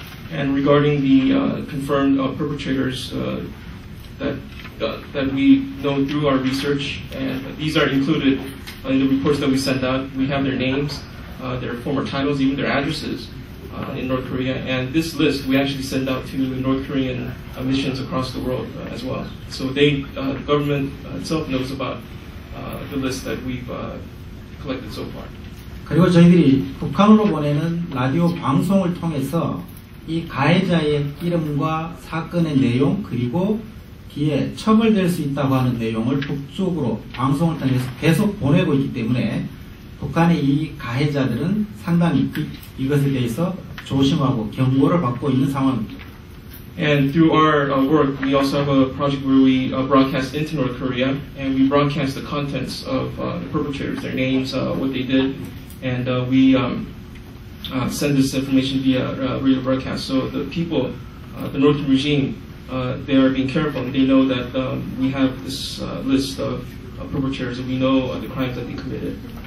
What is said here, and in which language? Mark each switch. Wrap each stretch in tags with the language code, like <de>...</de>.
<en>And regarding the confirmed perpetrators that we know through our research, and these are included in the reports that we sent out. We have their names, their former titles, even their addresses in North Korea. And this list we actually send out to the North Korean missions across the world as well. So they, the government itself knows about the list that we've. So far.</en> <ko>그리고 저희들이 북한으로 보내는 라디오 방송을 통해서 이 가해자의 이름과 사건의 내용 그리고 뒤에 처벌될 수 있다고 하는 내용을 북쪽으로 방송을 통해서 계속 보내고 있기 때문에 북한의 이 가해자들은 상당히 이것에 대해서 조심하고 경고를 받고 있는 상황입니다.</ko> <en>And through our work, we also have a project where we broadcast into North Korea, and we broadcast the contents of the perpetrators, their names, what they did, and we send this information via radio broadcast. So the people, the North Korean regime, they are being careful, and they know that we have this list of perpetrators, and we know the crimes that they committed.</en>